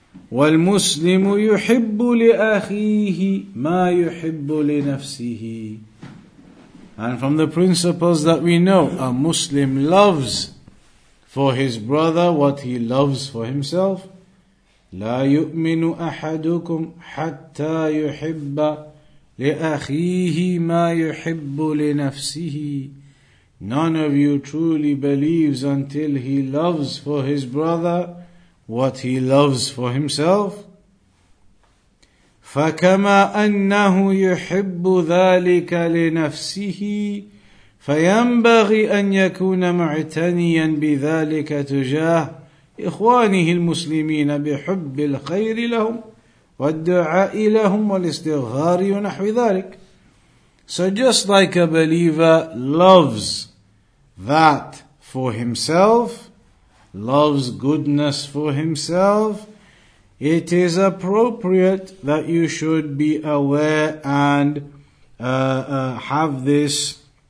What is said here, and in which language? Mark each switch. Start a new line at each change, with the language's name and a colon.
Arabic: وَالْمُسْلِمُ يُحِبُّ لِأَخِيهِ مَا يُحِبُّ لِنَفْسِهِ.
English: And from the principles that we know, a Muslim loves for his brother what he loves for himself.
Arabic: لا يؤمن أحدكم حتى يحب لأخيه ما يحب لنفسه.
English: None of you truly believes until he loves for his brother what he loves for himself.
Arabic: فكما أنه يحب ذلك لنفسه فَيَنْبَغِي أَنْ يَكُونَ مُعْتَنِيًا بِذَلِكَ تُجَاهُ إخوانه المسلمين بحب الخير لهم والدعاء لهم والاستغفار ونحو ذلك.
English: So just like a believer loves that for himself, loves goodness for himself, it is appropriate that you should be aware and have this